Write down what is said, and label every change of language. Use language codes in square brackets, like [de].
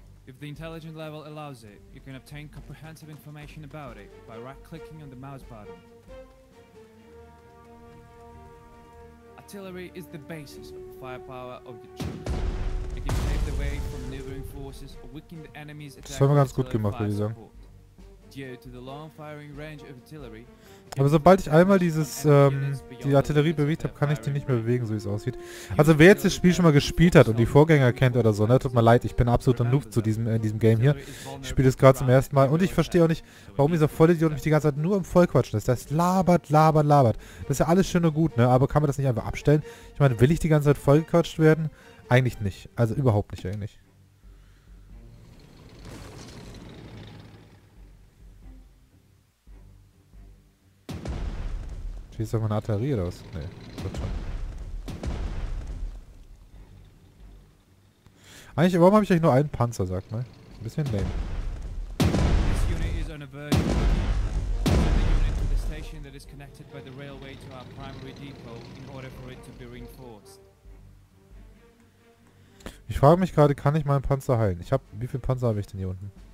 [en] If the intelligence level allows it, you can obtain comprehensive information about it by right-clicking on the mouse button. Artillery is the basis of the firepower of the troops. It can pave the way for maneuvering forces or weaken the enemy's attack. Due to the long firing range of artillery. [de] Aber sobald ich einmal dieses die Artillerie bewegt habe, kann ich die nicht mehr bewegen, so wie es aussieht. Also wer jetzt das Spiel schon mal gespielt hat und die Vorgänger kennt oder so, ne, tut mir leid, ich bin absoluter Noob zu diesem Game hier. Ich spiele es gerade zum ersten Mal und ich verstehe auch nicht, warum dieser Vollidiot mich die ganze Zeit nur im Vollquatschen ist. Das labert, labert, labert. Das ist ja alles schön und gut, ne? Aber kann man das nicht einfach abstellen? Ich meine, will ich die ganze Zeit vollgequatscht werden? Eigentlich nicht. Also überhaupt nicht eigentlich. Schießt doch mal eine Artillerie raus. Nee, wird schon. Eigentlich, warum habe ich eigentlich nur einen Panzer, sag mal? [en] Ein bisschen lame. This unit is on a verge. Send the unit to the station that is connected by the railway to our primary depot in order for it to be reinforced. [de] Ich frage mich gerade, kann ich meinen Panzer heilen? Ich habe, wie viel Panzer habe ich denn hier unten?